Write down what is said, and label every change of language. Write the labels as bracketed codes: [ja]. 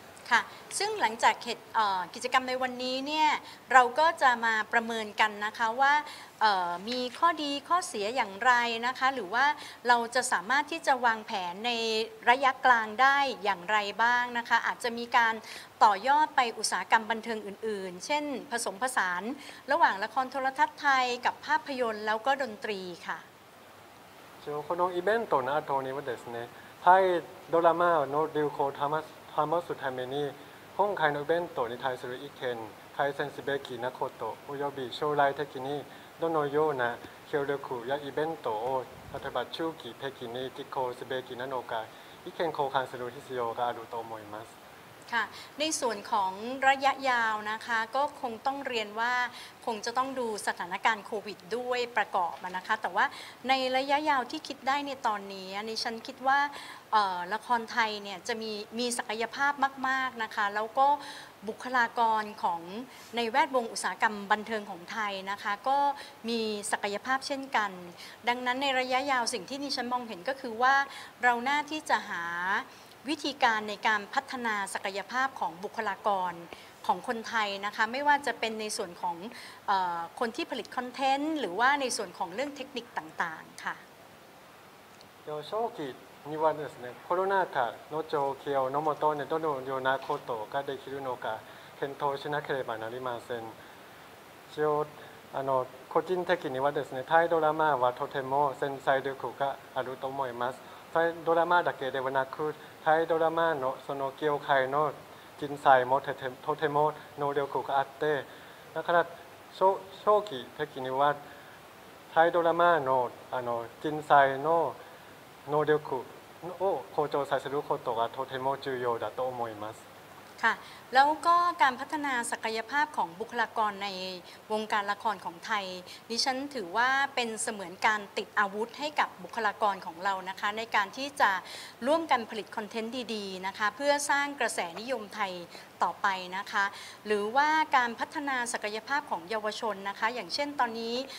[th] ค่ะซึ่งหลังจากกิจกรรมในวันนี้เนี่ยเราก็จะมาประเมินกันนะคะว่ามีข้อดีข้อเสียอย่างไรนะคะหรือว่าเราจะสามารถที่จะวางแผนในระยะกลางได้อย่างไรบ้างนะคะอาจจะมีการต่อยอดไปอุตสาหกรรมบันเทิงอื่นๆเช่นผสมผสานระหว่างละครโทรทัศน์ไทยกับภาพยนตร์แล้วก็ดนตรีค่ะ [ja] このイベントの後にはですね、タイドラマの流行を保つために、今回のイベントに対する意見、改善すべきなこと、および将来的にどのような協力やイベントを、例えば中期的に実行すべきなのか、意見交換する必要があると思います。 [th] ค่ะในส่วนของระยะยาวนะคะก็คงต้องเรียนว่าคงจะต้องดูสถานการณ์โควิดด้วยประกอบนะคะแต่ว่าในระยะยาวที่คิดได้ในตอนนี้ในฉันคิดว่า ละครไทยเนี่ยจะมีศักยภาพมากๆนะคะแล้วก็บุคลากรของในแวดวงอุตสาหกรรมบันเทิงของไทยนะคะก็มีศักยภาพเช่นกันดังนั้นในระยะยาวสิ่งที่ดิฉันมองเห็นก็คือว่าเราน่าที่จะหาวิธีการในการพัฒนาศักยภาพของบุคลากรของคนไทยนะคะไม่ว่าจะเป็นในส่วนของคนที่ผลิตคอนเทนต์หรือว่าในส่วนของเรื่องเทคนิคต่างๆค่ะ [ja] โชคีนิวานですねコロナ禍の状況のもとにどのようなことができるのか検討しなければなりません一応個人的にはですねタイドラマはとても繊細力があると思いますタイドラマだけではなくタイドラマのその業界の人材もとても能力があって、だから長期的にはタイドラマの人材の能力を向上させることがとても重要だと思います。 [th] ค่ะแล้วก็การพัฒนาศักยภาพของบุคลากรในวงการละครของไทยดิฉันถือว่าเป็นเสมือนการติดอาวุธให้กับบุคลากรของเรานะคะในการที่จะร่วมกันผลิตคอนเทนต์ดีๆนะคะเพื่อสร้างกระแสนิยมไทยต่อไปนะคะหรือว่าการพัฒนาศักยภาพของเยาวชนนะคะอย่างเช่นตอนนี้